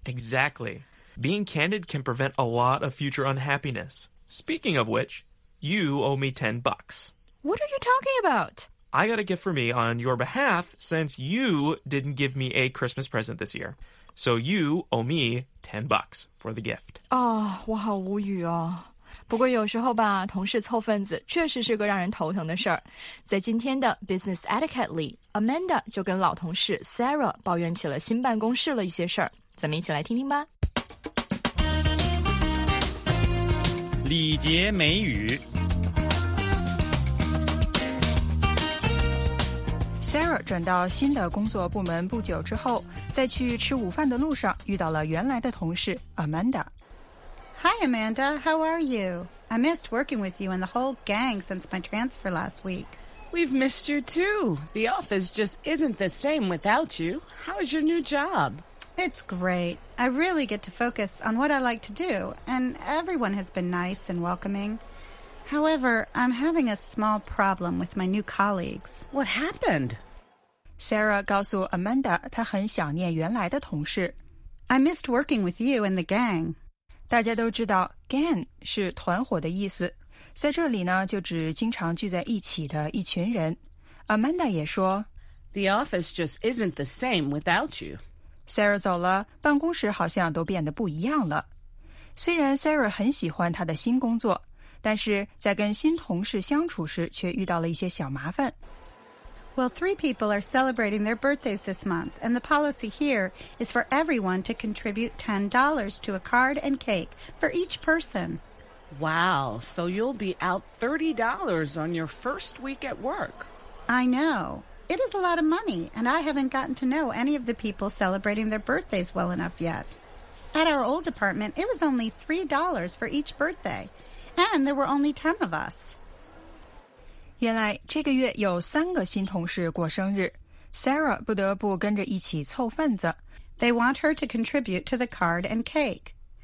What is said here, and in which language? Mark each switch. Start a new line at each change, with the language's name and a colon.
English: Exactly. Being candid can prevent a lot of future unhappiness. Speaking of which, you owe me $10. What are you talking about? I got a gift for me on your behalf since you didn't give me a Christmas present this year. So you owe me $10 for the gift.
Chinese: Oh, 我好无语啊。不过有时候吧，同事凑份子确实是个让人头疼的事儿。在今天的 Business Etiquette 里， Amanda 就跟老同事 Sarah 抱怨起了新办公室了一些事儿。咱们一起来听听吧。礼节美语。 Sarah 转到新的工作部门不久之后，在去吃午饭的路上遇到了原来的同事 Amanda
English: Hi, Amanda. How are you? I missed working with you and the whole gang since my transfer last week. We've missed you, too. The office just isn't the same without you. How's your new job? It's great. I really get to focus on what I like to do, and everyone has been nice and welcoming. However, I'm having a small problem with my new colleagues. What happened?
Chinese: Sarah 告诉 Amanda 她很想念原来的同事。
English: I missed working with you and the gang.
Chinese: 大家都知道 gang 是团伙的意思，在这里呢就指经常聚在一起的一群人。 Amanda 也说
English: The office just isn't the same without you.
Chinese: Sarah 走了，办公室好像都变得不一样了。虽然 Sarah 很喜欢她的新工作，但是在跟新同事相处时却遇到了一些小麻烦。
English: Well, three people are celebrating their birthdays this month, and the policy here is for everyone to contribute $10 to a card and cake for each person. Wow, so you'll be out $30 on your first week at work. I know. It is a lot of money, and I haven't gotten to know any of the people celebrating their birthdays well enough yet. At our old department, it was only $3 for each birthday, and there were only 10 of us.
Chinese: 原来这个月有三个新同事过生日， Sarah 不得不跟着一起凑份子。
English: They want her to contribute to the card and cake.